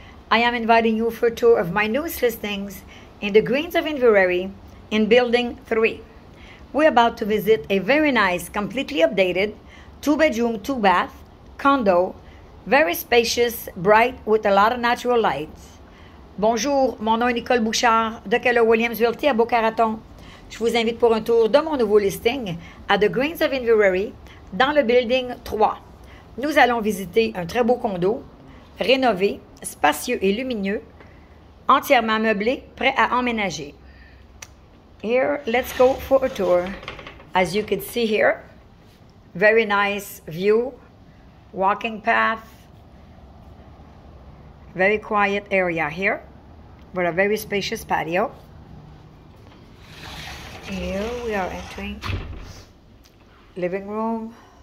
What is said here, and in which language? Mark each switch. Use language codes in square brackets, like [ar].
[en] I am inviting you for a tour of my newest listings in the Greens of Inverary in Building 3. We're about to visit a very nice, completely updated, two-bedroom, two-bath condo, very spacious, bright, with a lot of natural lights. [fr] Bonjour, mon nom est Nicole Bouchard de Keller Williams Realty à Boca Raton. Je vous invite pour un tour de mon nouveau listing à the Greens of Inverary, dans le building 3, nous allons visiter un très beau condo, rénové, spacieux et lumineux, entièrement meublé, prêt à emménager. [en] Here, let's go for a tour. As you can see here, very nice view, walking path, very quiet area here, but a very spacious patio. Here we are entering living room.